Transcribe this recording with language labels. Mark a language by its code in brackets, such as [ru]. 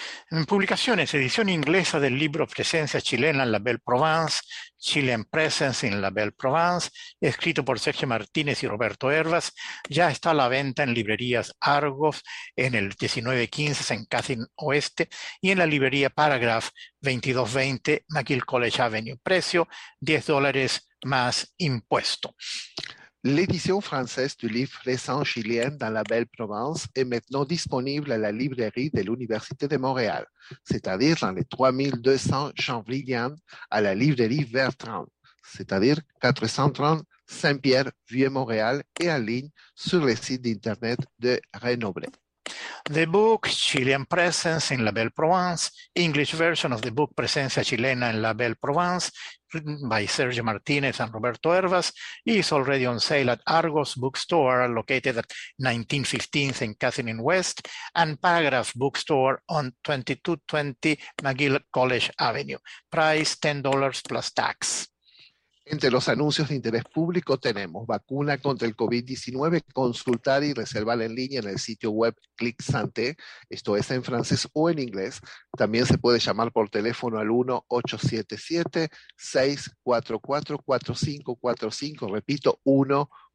[es] En publicaciones, edición inglesa del libro Presencia Chilena en la Belle Provence, Chilean Presence in la Belle Provence, escrito por Sergio Martínez y Roberto Hervas, ya está a la venta en librerías Argos en el 1915 en Catherine Oeste y en la librería Paragraph 2220 McGill College Avenue. Precio $10 más impuesto. [fr] L'édition française du livre Récent Chilien dans la Belle Provence est maintenant disponible à la librairie de l'Université de Montréal, c'est-à-dire dans les 3200 Champlain, à la librairie Bertrand, c'est-à-dire 430 Saint-Pierre, Vieux-Montréal, et en ligne sur le site d'Internet de Renoblet. [en] The book Chilean Presence in La Belle Provence, English version of the book Presencia Chilena en La Belle Provence, written by Sergio Martínez and Roberto Hervas, is already on sale at Argos Bookstore, located at 1915 in Catherine West, and Paragraph Bookstore on 2220 McGill College Avenue. Price $10 plus tax. [es] Entre los anuncios de interés público tenemos vacuna contra el COVID-19, consultar y reservar en línea en el sitio web Clic Santé, esto es en francés o en inglés. También se puede llamar por teléfono al 1-877-644-4545, repito, 1-877-644-4545.